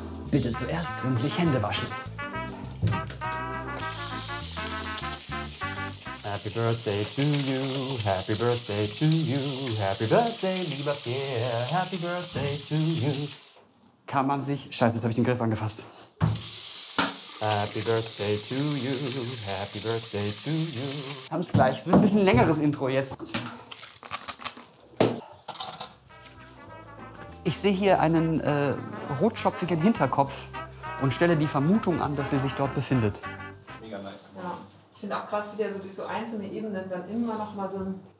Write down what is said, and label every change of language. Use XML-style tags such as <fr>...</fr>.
<de>Bitte zuerst gründlich Hände waschen.</de> <en>Happy Birthday to you, Happy Birthday to you, Happy Birthday, lieber Pierre, Happy Birthday to you.</en> <de>Kann man sich. Scheiße, jetzt habe ich den Griff angefasst.</de> <en>Happy Birthday to you, Happy Birthday to you.</en> <de>Haben's gleich, es wird ein bisschen längeres Intro jetzt. Ich sehe hier einen rotschopfigen Hinterkopf und stelle die Vermutung an, dass sie sich dort befindet. Mega nice geworden. Ja. Ich finde auch krass, wie der so durch so einzelne Ebenen dann immer noch mal so ein.</de>